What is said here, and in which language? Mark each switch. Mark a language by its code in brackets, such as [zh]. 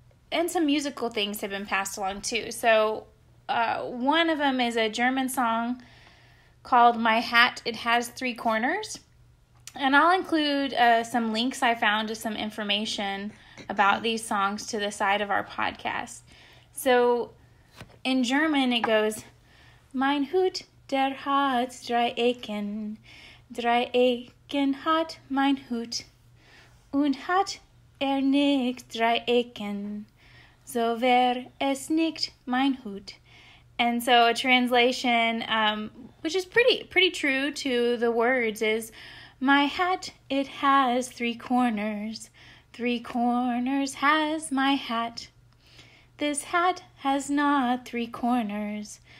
[en] And some musical things have been passed along, too. So one of them is a German song called My Hat, It Has Three Corners. And I'll include some links I found to some information about these songs to the side of our podcast. So in German, it goes, [de] Mein Hut, der hat drei Ecken hat mein Hut, und hat nicht drei Ecken, so wär es nicht mein Hut. [en] And so a translation, which is pretty true to the words, is, My hat, it has three corners. Three corners has my hat. This hat has not three corners.